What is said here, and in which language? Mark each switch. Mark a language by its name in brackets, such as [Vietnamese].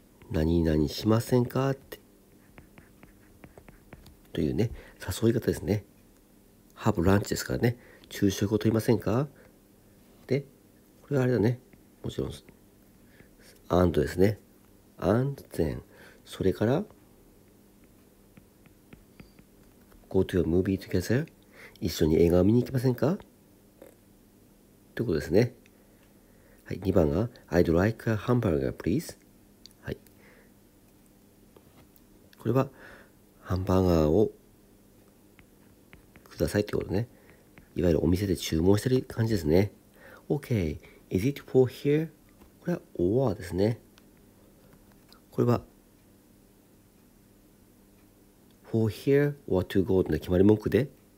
[Japanese] 何々しませんかって。というね、誘い方ですね。 [English] Have lunch [Japanese] ですからね。昼食をとりませんかで、これはあれだね。もちろん、and ですね。 [English] and then、 [Japanese] それから、 [English] go to a movie together? [Japanese] 一緒に映画を見に行きませんかということですね。はい、2番が [English] I'd like a hamburger, please. [Japanese] はい。これはハンバーガーをくださいってことね。いわゆるお店で注文してる感じですね。 [English] OK. Is it for here? [Japanese] これは [English] or [Japanese] ですね。これは [English] for here or to go [Japanese] の決まり文句で。